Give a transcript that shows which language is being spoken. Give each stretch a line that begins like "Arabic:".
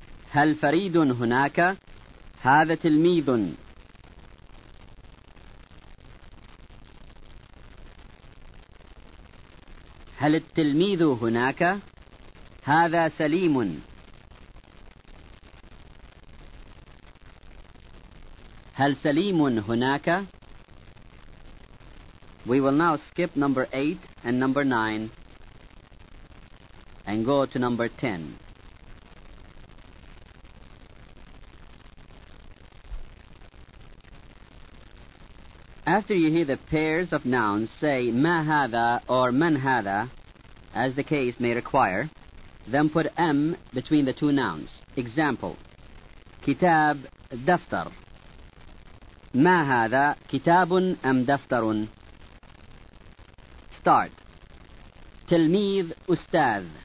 Arabic: هل فريد هناك؟ هذا تلميذ. هل التلميذ هناك؟ هذا سليم. هل سليم هناك؟
English: We will now skip number 8 and number 9 and go to number 10. After you hear the pairs of nouns, say
Arabic: ما هذا
English: or
Arabic: من هذا,
English: as the case may require, then put M between the two nouns. Example,
Arabic: كتاب دفتر. ما هذا كتاب أم دفتر؟
English: Start.
Arabic: تلميذ أستاذ.